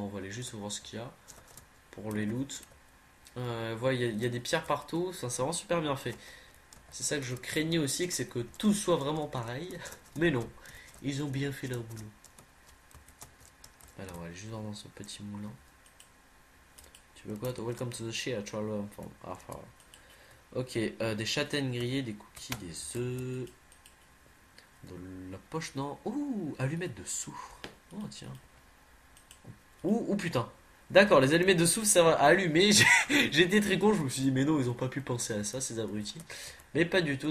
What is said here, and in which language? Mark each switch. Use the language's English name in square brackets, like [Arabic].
[French] On va aller juste voir ce qu'il y a pour les loots. Voilà, il y a des pierres partout. Ça, c'est vraiment super bien fait. C'est ça que je craignais aussi, que c'est que tout soit vraiment pareil. Mais non, ils ont bien fait leur boulot. Alors, on va aller juste voir dans ce petit moulin. Tu veux quoi? [English] Welcome to the shea troll farm. [French] Ok, des châtaignes grillées, des cookies, des œufs. Dans la poche, non. Ouh, allumettes de soufre. Oh, tiens. Ouh, putain. D'accord, les allumettes de soufre servent à allumer. J'étais très con, je me suis dit, mais non, ils ont pas pu penser à ça, ces abrutis. Mais pas du tout.